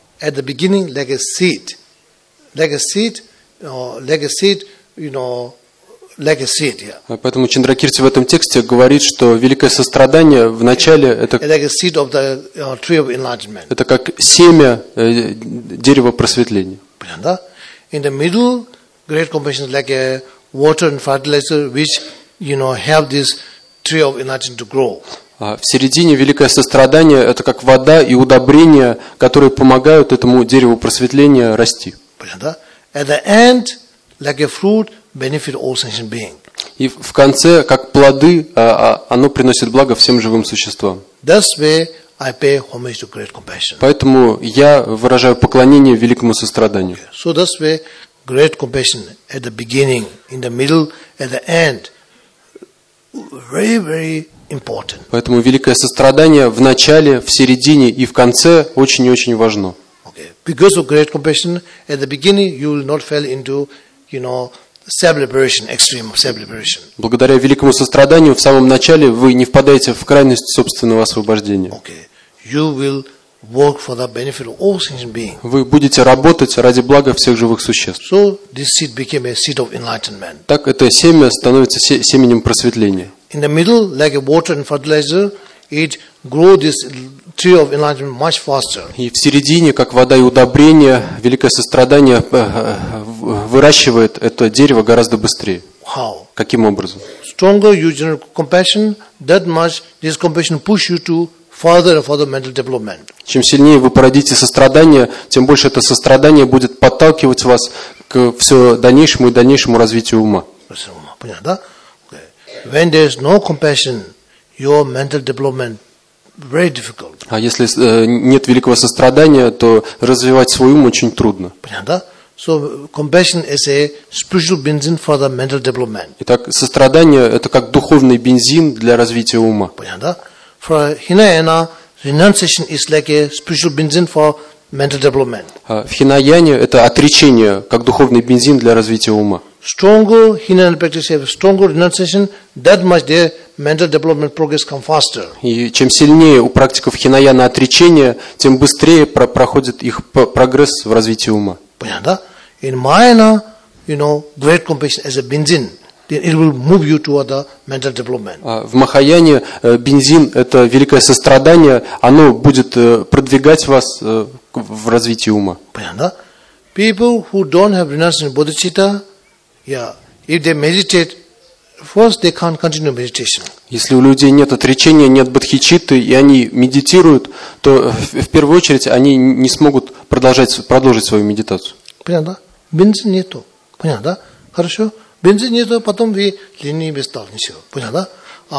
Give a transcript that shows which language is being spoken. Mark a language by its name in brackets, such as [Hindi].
[English] at the beginning, like a seed. Like a seed, like a seed, you know, like a seed, yeah. [Russian] Поэтому Чандракирти в этом тексте говорит, что великое сострадание в начале это, [English] like a seed of the, tree of enlightenment. [Russian] Это как семя дерева просветления. Понятно? [English] In the middle, great compassion is like a water and fertilizer which, you know, help this tree of enlightenment to grow. [Russian] В середине великое сострадание это как вода и удобрения, которые помогают этому дереву просветления расти. Понятно? [English] At the end, like a fruit, benefit all sentient beings. [Russian] И в конце, как плоды, оно приносит благо всем живым существам. [English] That's why I pay homage to great compassion. [Russian] Поэтому я выражаю поклонение великому состраданию. [English] Okay. So that's why great compassion at the beginning, in the middle, at the end, very, very important. [Russian] Поэтому великое сострадание в начале, в середине и в конце очень и очень важно. [English] Okay. Because of great compassion at the beginning, you will not fall into, you know, self-liberation, extreme self-liberation. [Russian] Благодаря великому состраданию в самом начале вы не впадаете в крайность собственного освобождения. [English] Okay. You will work for the benefit of all sentient beings. [Russian] Вы будете работать ради блага всех живых существ. [English] So this seed became a seed of enlightenment. [Russian] Так это семя становится семенем просветления. [English] In the middle, like a water and fertilizer, it grew this tree of enlightenment much faster. [Russian] И в середине, как вода и удобрение, великое сострадание выращивает это дерево гораздо быстрее. [English] How? [Russian] Каким образом? [English] Stronger you generate compassion, that much this compassion push you to further and further mental development. [Russian] Чем сильнее вы породите сострадание, тем больше это сострадание будет подталкивать вас к все дальнейшему и дальнейшему развитию ума. Понятно, да? [English] When there is no compassion, your mental development very difficult. [Russian] А если нет великого сострадания, то развивать свой ум очень трудно. Понятно? [English] So compassion is a spiritual benzin for the mental development. [Russian] Итак, сострадание это как духовный бензин для развития ума. Понятно? [English] For Hinayana, renunciation is like a spiritual benzin for mental development. [Russian] В Хинаяне это отречение как духовный бензин для развития ума. [English] Stronger Hinayana practice have stronger renunciation, that much their mental development progress come faster. [Russian] И чем сильнее у практиков Хинаяна отречение, тем быстрее проходит их прогресс в развитии ума. Понятно? [English] In Mahayana, you know, great compassion as a benzin, then it will move you toward the mental development. [Russian] В Махаяне бензин это великое сострадание, оно будет продвигать вас в развитии ума. Понятно? [English] People who don't have renunciation bodhicitta, yeah, if they meditate, first they can't continue meditation. [Russian] Если у людей нет отречения, нет бодхичитты, и они медитируют, то в первую очередь они не смогут продолжить свою медитацию. Понятно? Бензин нету. Понятно, да? Хорошо? Бензин нету, потом вы ленивый стал, ничего. Понятно, да?